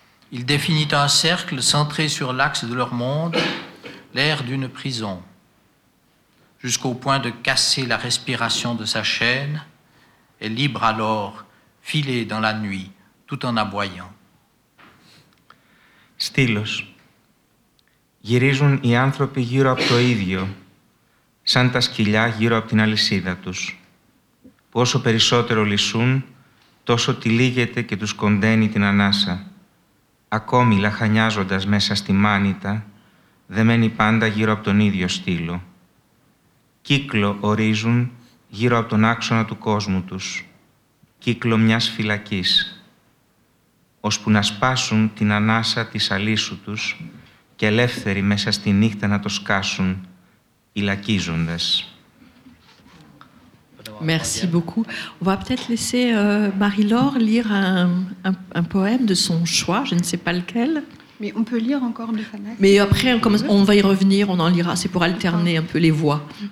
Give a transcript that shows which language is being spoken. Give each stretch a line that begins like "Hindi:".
French: Il définit un cercle centré sur l'axe de leur monde, l'air d'une prison, jusqu'au point de casser la respiration de sa chaîne, et libre alors, filé dans la nuit, tout en aboyant.
Greek: Stylos. Γυρίζουν οι άνθρωποι γύρω από το ίδιο, σαν τα σκυλιά γύρω από την αλυσίδα τους. Που όσο περισσότερο λυσούν, τόσο τυλίγεται και τους κοντένει την ανάσα. Ακόμη λαχανιάζοντας μέσα στη μάνιτα, δεμένοι πάντα γύρω από τον ίδιο στήλο. Κύκλο ορίζουν γύρω από τον άξονα του κόσμου τους. Κύκλο μιας φυλακής. Ώσπου να σπάσουν την ανάσα της αλύσου τους, και ελεύθεροι μέσα στη νύχτα να το σκάσουν, υλακίζοντας.
French: Merci beaucoup. On va peut-être laisser Marie-Laure lire un poème de son choix, je ne sais pas lequel. Mais on peut lire encore de Fanny. Mais après, on va y revenir, on en lira. C'est pour alterner un peu les voix.